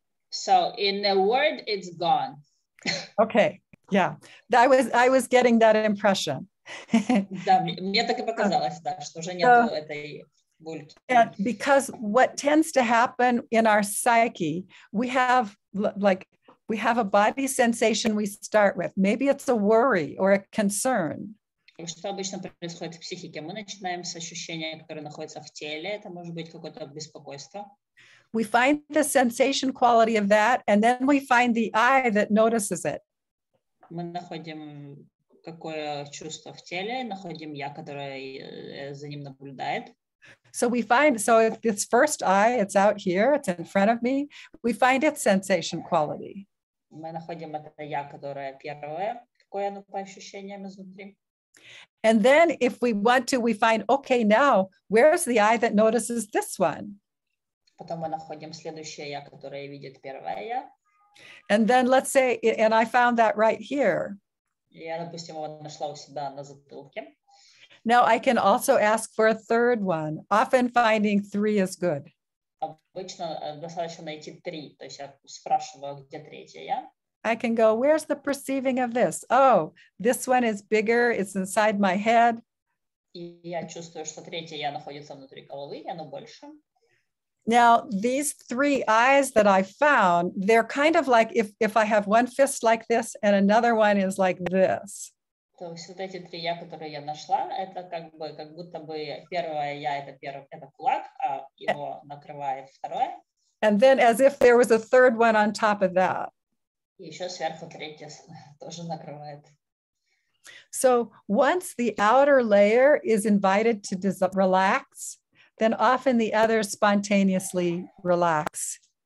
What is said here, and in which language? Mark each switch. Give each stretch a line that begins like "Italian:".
English: So in a word, it's gone. Okay. Yeah. I was getting that impression.
Russian: Да, мне так и показалось, да, что уже нету этой бульки.
English: Because what tends to happen in our psyche, we have a body sensation we start with. Maybe it's a worry or a concern.
Russian: Что обычно происходит в психике? Мы начинаем с ощущения, которое находится в теле. Это может быть какое-то беспокойство.
English: We find the sensation quality of that, and then we find the eye that notices it.
Russian: Мы находим какое чувство в теле, находим я, которое за ним наблюдает.
English: So we find, so if this first eye, it's out here, it's in front of me, we find its sensation quality.
Russian: Мы находим это я, которое первое, какое оно по ощущениям изнутри.
English: And then if we want to, we find, okay, now, where's the eye that notices this one?
Russian: Потом мы находим следующее я, которое видит первое я.
English: And then let's say, and I found that right here.
Russian: Я, допустим, его нашла у себя на затылке.
English: Now I can also ask for a third one. Often finding three is good.
Russian: Обычно достаточно найти три, то есть я спрашиваю, где третье я.
English: I can go, where's the perceiving of this? Oh, this one is bigger, it's inside my head.
Russian: Я чувствую, что третье я находится внутри головы, и оно больше.
English: Now, these three eyes that I found, they're kind of like if I have one fist like this and another one is like this.
Russian: То есть вот эти три я, которые я нашла, это как бы, как будто бы первое я, это кулак, а его накрывает второе.
English: And then as if there was a third one on top of that.
Russian: И еще сверху третье тоже накрывает.
English: So once the outer layer is invited to relax, then often the others spontaneously relax.